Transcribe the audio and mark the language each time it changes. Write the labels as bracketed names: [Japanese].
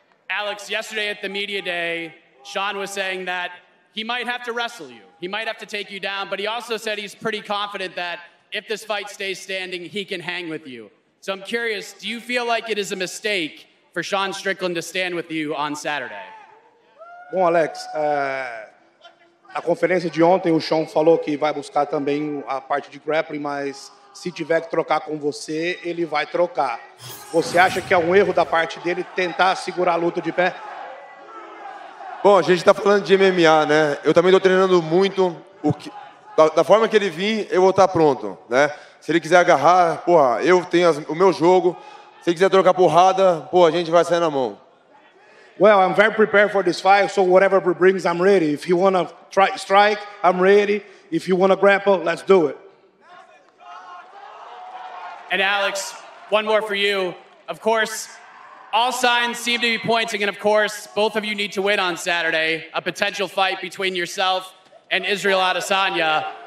[English] Alex, yesterday at the media day, Sean was saying that he might have to wrestle you. He might have to take you down, but he also said he's pretty confident that if this fight stays standing, he can hang with you. So I'm curious, do you feel like it is a mistake for Sean Strickland to stand with you on Saturday? [Portuguese] Bom, Alex, a conferência de ontem, o Sean falou que vai buscar também a parte de grappling, mas se tiver que trocar com você, ele vai trocar. Você acha que é um erro da parte dele tentar segurar a luta de pé? Bom, a gente está falando de MMA, né? Eu também estou treinando muito. Da forma que ele vir, eu vou estar pronto, né? Se ele quiser agarrar, porra, eu tenho o meu jogo. Se ele quiser trocar porrada, pô, a gente vai sair na mão. [English] Well, I'm very prepared for this fight, so whatever he brings, I'm ready. If you want to strike, I'm ready. If you want to grapple, let's do it. And Alex, one more for you. Of course, all signs seem to be pointing, and of course, both of you need to win on Saturday, a potential fight between yourself and Israel Adesanya.